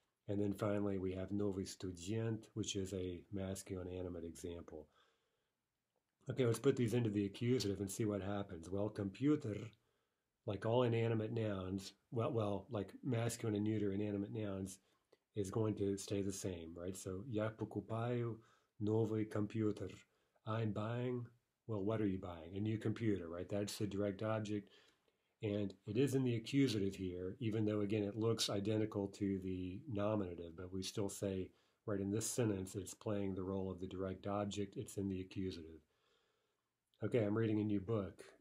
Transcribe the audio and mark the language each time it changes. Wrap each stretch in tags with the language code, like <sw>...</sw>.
<en>And then finally, we have</en> <ru>новый студент,</ru> <en>which is a masculine animate example. Okay, let's put these into the accusative and see what happens. Well, computer, like all inanimate nouns, well, like masculine and neuter inanimate nouns, is going to stay the same, right?</en> <ru>So, я покупаю новый компьютер.</ru> <en>I'm buying, well, what are you buying? A new computer, right? That's the direct object. And it is in the accusative here, even though, again, it looks identical to the nominative, but we still say, right, in this sentence, it's playing the role of the direct object. It's in the accusative. Okay, I'm reading a new book.</en>